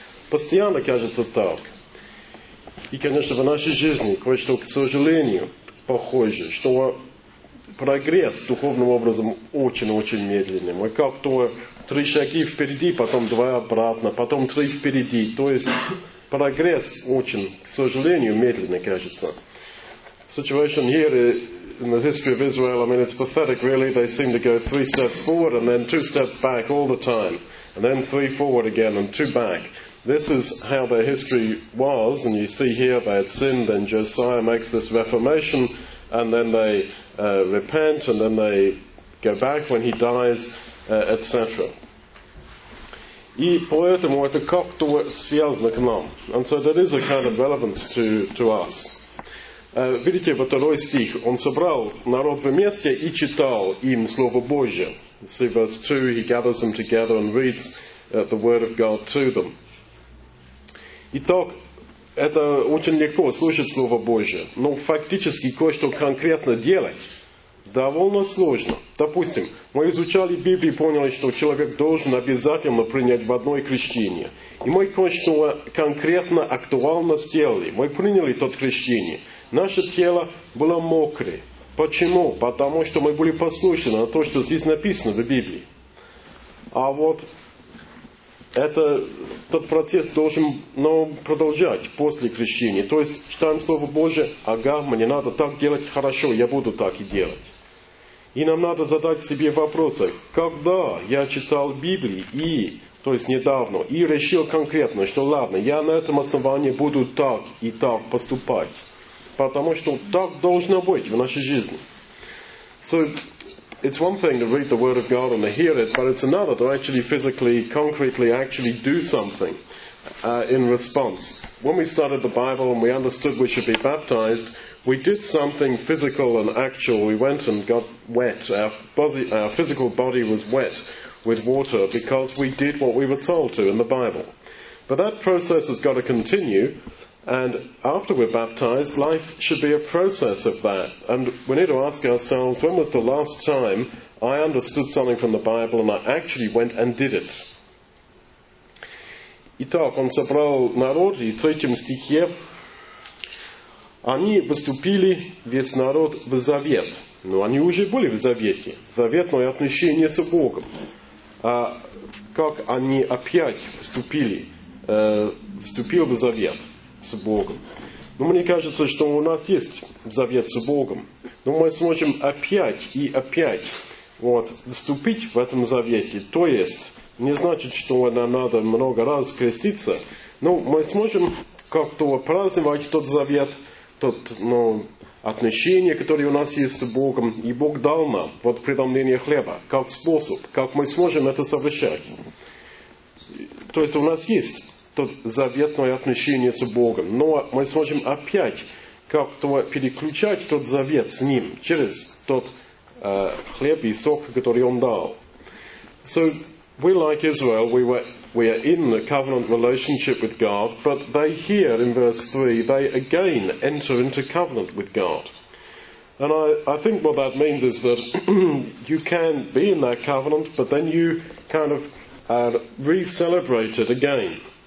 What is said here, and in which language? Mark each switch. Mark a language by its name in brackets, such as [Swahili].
[Russian] Постоянно кажется так. И, конечно, в нашей жизни кое-что, к сожалению, похоже, что прогресс духовным образом очень-очень медленный. Мы как-то три шаги впереди, потом два обратно, потом три впереди. То есть прогресс очень, к сожалению, медленно кажется. [English] Situation here in the history of Israel, I mean, it's pathetic, really. They seem to go three steps forward and then two steps back all the time. And then three forward again and two back. This is how their history was. And you see here they had sinned, then Josiah makes this reformation, and then they repent, and then they go back when he dies, etc. [Russian] И поэтому это как-то связано к нам. [English] And so there is a kind of relevance to us. [Russian] Видите, вот второй стих. Он собрал народ вместе и читал им Слово Божие. [English] See verse 2, he gathers them together and reads the Word of God to them. [Russian] Итак, это очень легко слушать Слово Божие. Но фактически кое-что конкретно делать довольно сложно. Допустим, мы изучали Библию и поняли, что человек должен обязательно принять в одной крещение. И мы кое-что конкретно, актуально сделали. Мы приняли тот крещение. Наше тело было мокрое. Почему? Потому что мы были послушны на то, что здесь написано в Библии. А вот тот процесс должен продолжать после крещения. То есть читаем Слово Божие, ага, мне надо так делать, хорошо, я буду так и делать. И нам надо задать себе вопросы, когда я читал Библию, то есть недавно, и решил конкретно, что ладно, я на этом основании буду так и так поступать. Потому что так должно быть в нашей жизни. [English] So, it's one thing to read the Word of God and to hear it, but it's another to actually physically, concretely actually do something in response. When we started the Bible and we understood we should be baptized, we did something physical and actual. We went and got wet. Our physical body was wet with water because we did what we were told to in the Bible. But that process has got to continue. And after we're baptized, life should be a process of that. And we need to ask ourselves, when was the last time I understood something from the Bible and I actually went and did it? [Russian] Итак, он собрал народ, и в третьем стихе они вступили, весь народ, в завет. Но они уже были в завете. Заветное отношение с Богом. А как они опять вступил в завет с Богом? Ну, мне кажется, что у нас есть завет с Богом. Но мы сможем опять и опять вступить в этом завете. То есть, не значит, что нам надо много раз креститься. Но мы сможем как-то праздновать тот завет, то отношение, которое у нас есть с Богом, и Бог дал нам вот преломление хлеба, как способ, как мы сможем это совершать. То есть у нас есть то заветное отношение с Богом, но мы сможем опять как-то переключать тот завет с Ним через тот хлеб и сок, который Он дал. [English] So, we like Israel, we are in the covenant relationship with God, but they here in verse 3, they again enter into covenant with God. And I think what that means is that you can be in that covenant, but then you kind of re-celebrate it again.